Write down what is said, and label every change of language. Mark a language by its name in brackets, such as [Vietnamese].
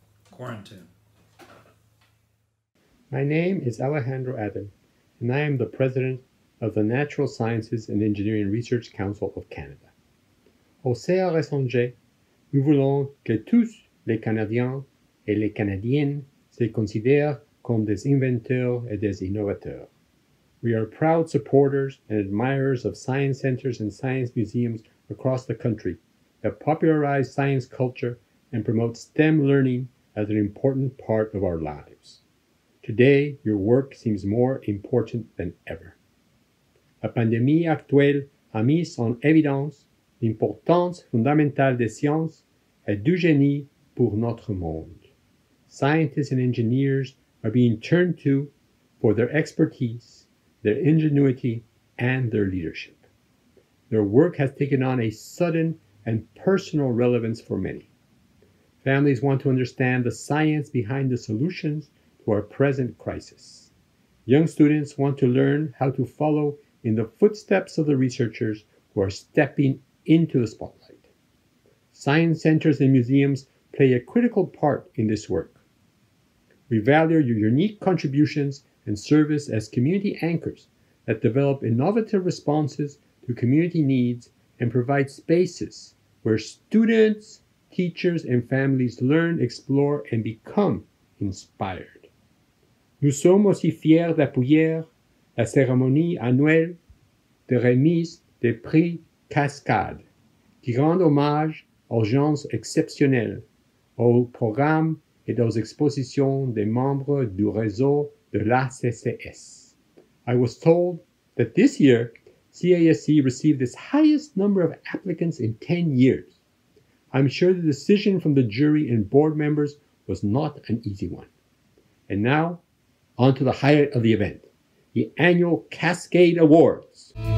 [English] Quarantine. My name is Alejandro Adem, and I am the president of the Natural Sciences and Engineering Research Council of Canada. [French] Au CRSNG, nous voulons que tous les Canadiens et les Canadiennes se considèrent comme des inventeurs et des innovateurs. [English] We are proud supporters and admirers of science centers and science museums across the country that popularize science culture and promote STEM learning as an important part of our lives. Today, your work seems more important than ever. [French] La pandémie actuelle a mis en évidence l'importance fondamentale des sciences et du génie pour notre monde. [English] Scientists and engineers are being turned to for their expertise, their ingenuity, and their leadership. Their work has taken on a sudden and personal relevance for many. Families want to understand the science behind the solutions to our present crisis. Young students want to learn how to follow in the footsteps of the researchers who are stepping into the spotlight. Science centers and museums play a critical part in this work. We value your unique contributions and service as community anchors that develop innovative responses to community needs and provide spaces where students, teachers, and families learn, explore, and become inspired. [French] Nous sommes aussi fiers d'appuyer la cérémonie annuelle de remise des prix CASCADE, qui rend hommage aux gens exceptionnels, aux programmes et aux expositions des membres du réseau de l'ACCS. [English] I was told that this year, CASC received its highest number of applicants in 10 years. I'm sure the decision from the jury and board members was not an easy one. And now, on to the highlight of the event. The annual CASCADE Awards.